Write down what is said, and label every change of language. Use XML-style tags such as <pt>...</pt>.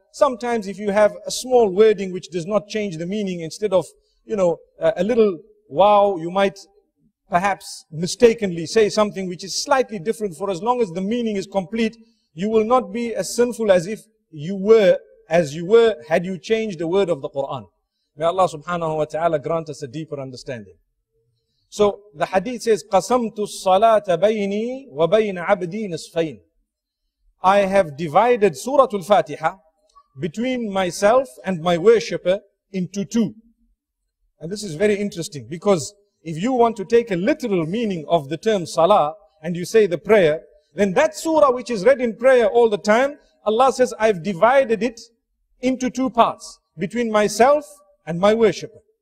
<en>Sometimes if you have a small wording which does not change the meaning, instead of, you know, a little wow, you might perhaps mistakenly say something which is slightly different. For as long as the meaning is complete, you will not be as sinful as if you were, as you were, had you changed the word of the Quran. May Allah subhanahu wa ta'ala grant us a deeper understanding. So the hadith says,</en> <ar>قَسَمْتُ الصَّلَاةَ بَيْنِي وَبَيْنَ عَبْدِي نِصْفَيْنِ.</ar> <en>I have divided Surah Al-Fatiha between myself and my worshipper into two. And this is very interesting, because if you want to take a literal meaning of the term salah and you say the prayer, then that surah which is read in prayer all the time, Allah says, I've divided it into two parts, between myself and my worshipper.</en>